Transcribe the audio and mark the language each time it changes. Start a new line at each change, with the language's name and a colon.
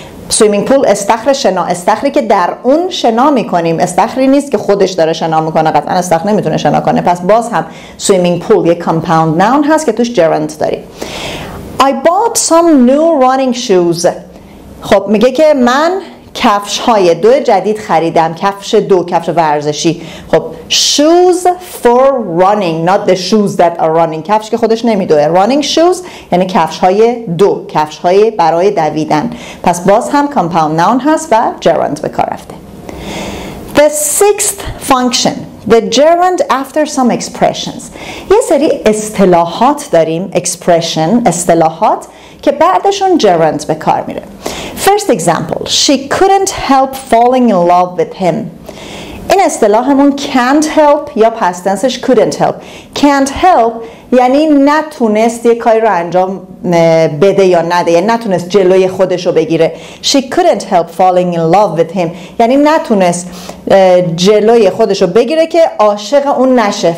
Persian: Swimming pool استخر شنا، استخری که در اون شنا میکنیم، استخری نیست که خودش داره شنا میکنه. قطعا استخر نمیتونه شنا کنه. پس باز هم swimming pool یه compound noun هست که توش gerund داری.
English: I bought some new running shoes.
Persian: خب میگه که من کفش های دو جدید خریدم. کفش دو، کفش ورزشی.
English: خب shoes for running، not the shoes that are running.
Persian: کفش که خودش نمیدوه. Running shoes یعنی کفش های دو، کفش های برای دویدن. پس باز هم compound noun هست و gerund به کار رفته.
English: The sixth function. The gerund after some expressions.
Persian: یه سری اصطلاحات داریم، expression، اصطلاحات که بعدشون gerund به کار میره.
English: First example, she couldn't help falling in love with him.
Persian: این اصطلاحمون can't help یا past tenseش couldn't help. Can't help یعنی نتونست یه کاری رو انجام بده یا نده، یعنی نتونست جلوی خودش رو بگیره.
English: She couldn't help falling in love with him
Persian: یعنی نتونست جلوی خودش رو بگیره که عاشق اون نشه.